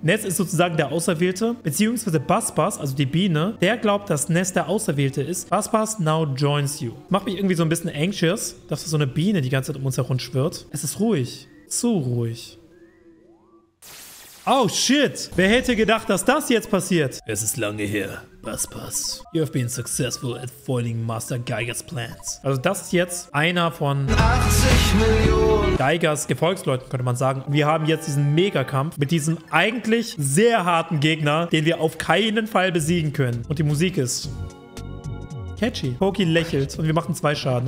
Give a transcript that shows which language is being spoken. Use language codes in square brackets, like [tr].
[de] Ness ist sozusagen der Auserwählte, beziehungsweise Buzz-Buzz, also die Biene, der glaubt, dass Ness der Auserwählte ist. [en] Buzz-Buzz now joins you. [de] Macht mich irgendwie so ein bisschen anxious, dass so eine Biene die ganze Zeit um uns herum schwirrt. Es ist ruhig. Zu ruhig. [en] Oh, shit. [de] Wer hätte gedacht, dass das jetzt passiert? Es ist lange her, Buzz-Buzz. [en] You have been successful at foiling Master Gygax's plans. [de] Also das ist jetzt einer von 80 Millionen Gygax's Gefolgsleuten, könnte man sagen. Wir haben jetzt diesen Megakampf mit diesem eigentlich sehr harten Gegner, den wir auf keinen Fall besiegen können. Und die Musik ist catchy. Pokey lächelt und wir machen 2 Schaden.